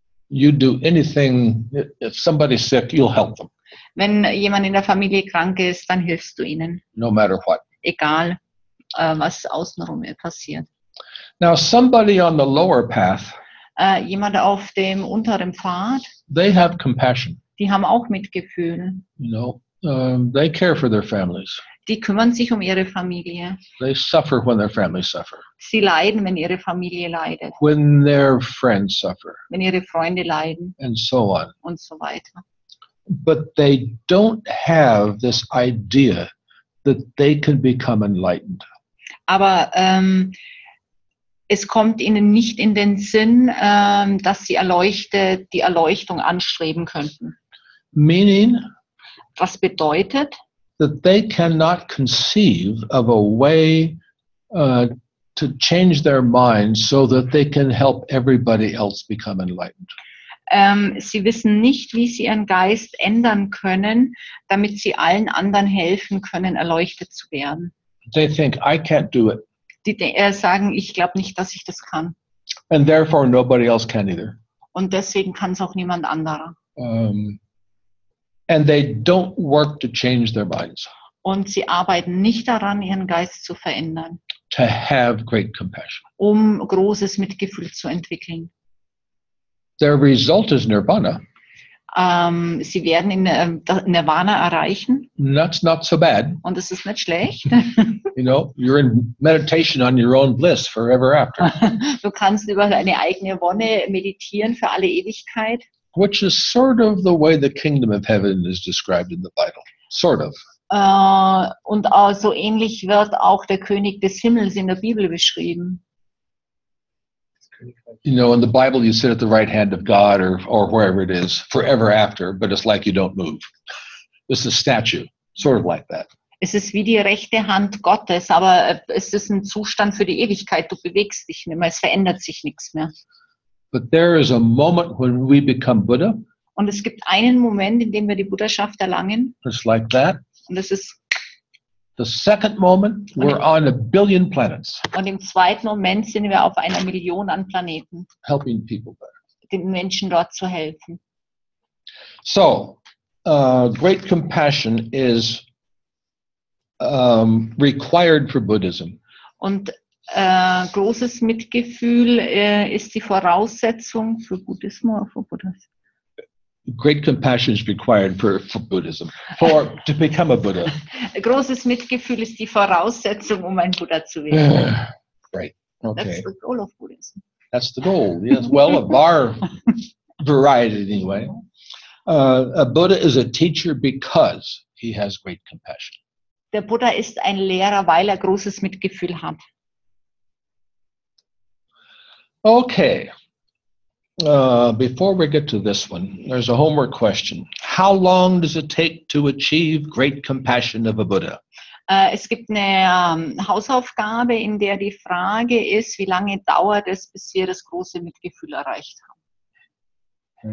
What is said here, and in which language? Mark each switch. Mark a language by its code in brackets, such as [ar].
[en] You do anything, if somebody's sick, you'll help them. [de] Wenn jemand in der Familie krank ist, dann hilfst du ihnen. [en] No matter what. [de] Egal, was außenrum passiert. [en] Now, somebody on the lower path, [de] jemand auf dem unteren Pfad, [en] they have compassion. [de] Die haben auch Mitgefühl. [en] You know, they care for their families. [de] Die kümmern sich um ihre Familie. [en] They suffer when their family suffer. [de] Sie leiden, wenn ihre Familie leidet. [en] When their friends suffer. [de] Wenn ihre Freunde leiden. [en] And so on. [de] Und so weiter. [en] But they don't have this idea that they can become enlightened. [de] Aber es kommt ihnen nicht in den Sinn, dass sie die Erleuchtung anstreben könnten. [en] Meaning? [de] Was bedeutet? [en] That they cannot conceive of a way to change their minds so that they can help everybody else become enlightened. [de] Sie wissen nicht, wie sie ihren Geist ändern können, damit sie allen anderen helfen können, erleuchtet zu werden. [en] They think, I can't do it. [de] Die sagen, ich glaube nicht, dass ich das kann. [en] And therefore nobody else can either. [de] Und deswegen kann es auch niemand anderer. [en] And they don't work to change their minds. [de] Und sie arbeiten nicht daran, ihren Geist zu verändern. [en] To have great compassion. [de] Um großes Mitgefühl zu entwickeln. [en] Their result is Nirvana. [de] Sie werden in Nirvana erreichen. [en] That's not so bad. [de] Und es ist nicht schlecht. [en] You know, you're in meditation on your own bliss forever after. [de] Du kannst über deine eigene Wonne meditieren für alle Ewigkeit. [en] Which is sort of the way the kingdom of heaven is described in the Bible. Sort of. [de] Und so ähnlich wird auch der König des Himmels in der Bibel beschrieben. [en] You know, in the Bible, you sit at the right hand of God or wherever it is, forever after, but it's like you don't move. It's a statue, sort of like that. [de] Es ist wie die rechte Hand Gottes, aber es ist ein Zustand für die Ewigkeit. Du bewegst dich nicht mehr, es verändert sich nichts mehr. [en] But there is a moment when we become Buddha. [de] Und es gibt einen Moment, in dem wir die Buddhaschaft erlangen. [en] It's like that. [de] Und es ist [en] the second moment, we're on a billion planets. [de] Und im zweiten Moment sind wir auf einer Million an Planeten. [en] Helping people [de] there. Den Menschen dort zu helfen. [en] So, great compassion is required for Buddhism. [de] Und großes Mitgefühl ist die Voraussetzung für Buddhismus oder für Buddhismus. [en] Great compassion is required for Buddhism, for to become a Buddha. [de] Großes Mitgefühl ist die Voraussetzung, um ein Buddha zu werden. [en] Right. Okay. That's the goal of Buddhism. That's the goal. Yes. Well, of our variety, anyway. A Buddha is a teacher because he has great compassion. [de] Der Buddha ist ein Lehrer, weil er großes Mitgefühl hat. [en] Okay. Before we get to this one, there's a homework question. How long does it take to achieve great compassion of a Buddha? [de] Es gibt eine Hausaufgabe, in der die Frage ist, wie lange dauert es, bis wir das große Mitgefühl erreicht haben?